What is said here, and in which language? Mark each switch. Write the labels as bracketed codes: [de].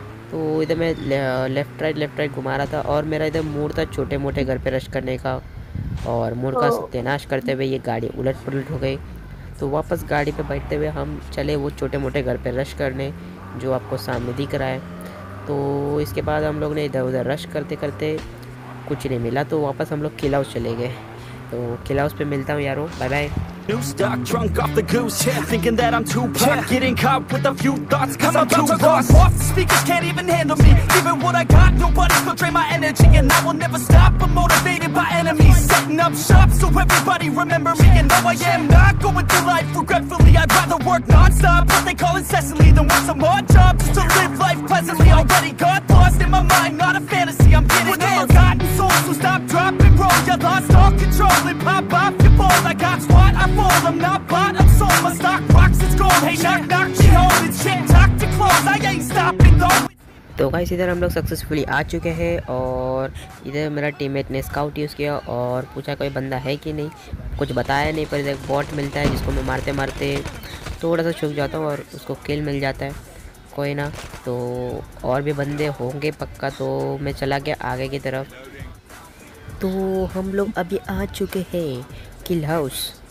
[hi] तो इधर मैं लेफ्ट राइट घुमा रहा था, और मेरा इधर मूड था छोटे मोटे घर पे रश करने का, और मूड का सत्यानाश करते हुए ये गाड़ी उलट पुलट हो गई। तो वापस गाड़ी पे बैठते हुए हम चले वो छोटे मोटे घर पे रश करने, जो आपको सामने दिख रहा है। तो इसके बाद हम लोग ने इधर उधर रश करते करते कुछ नहीं मिला, तो वापस हम लोग किला हाउस चले गए। तो किला हाउस पे मिलता हूँ यारो, bye bye. [en] New stock drunk off the goose, yeah. Thinking that I'm too pumped, yeah. Getting caught with a few thoughts, cause I'm too lost. Off the speakers can't even handle me. Even what I got, nobody's gonna drain my energy. And I will never stop, I'm motivated by enemies. Setting up shop so everybody remember me. And though I am not going through life regretfully, I'd rather work nonstop, what they call incessantly, than want some odd job just to live life pleasantly. Already got lost in my mind, not a fantasy. I'm getting a forgotten soul, so stop dropping roll. You lost all control and pop off your balls. I got squat, I fall, I'm not bought, I'm sold. My stock rocks, it's gold. Hey, knock, knock, behold, it's tick tock to close. I ain't stopping though. [hi] तो guys इधर हम लोग successfully आ चुके हैं, और इधर मेरा teammate ने स्काउट यूज़ किया और पूछा कोई बंदा है कि नहीं, कुछ बताया नहीं। पर इधर एक बॉट मिलता है, जिसको मैं मारते मारते थोड़ा सा छुप जाता हूँ, और उसको किल मिल जाता है, कोई ना। तो और भी बंदे होंगे पक्का, तो मैं चला गया आगे की तरफ। तो हम लोग अभी आ चुके हैं किल हाउस,